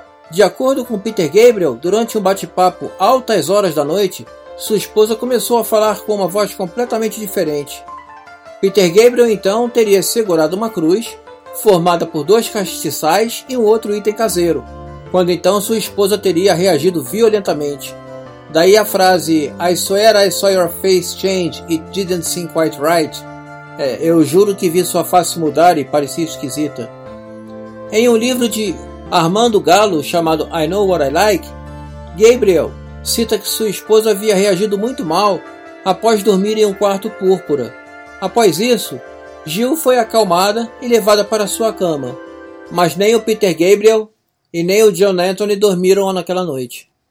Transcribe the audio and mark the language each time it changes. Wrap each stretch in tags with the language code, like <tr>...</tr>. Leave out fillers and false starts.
<pt>De acordo com Peter Gabriel, durante um bate-papo altas horas da noite, sua esposa começou a falar com uma voz completamente diferente. Peter Gabriel então teria segurado uma cruz, formada por dois castiçais e um outro item caseiro, quando então sua esposa teria reagido violentamente. Daí a frase</pt> <en>"I swear I saw your face change, it didn't seem quite right."</en> <pt>Eu juro que vi sua face mudar e parecia esquisita. Em um livro de Armando Galo, chamado I Know What I Like, Gabriel cita que sua esposa havia reagido muito mal após dormir em um quarto púrpura. Após isso, Jill foi acalmada e levada para sua cama, mas nem o Peter Gabriel e nem o John Anthony dormiram naquela noite.</pt>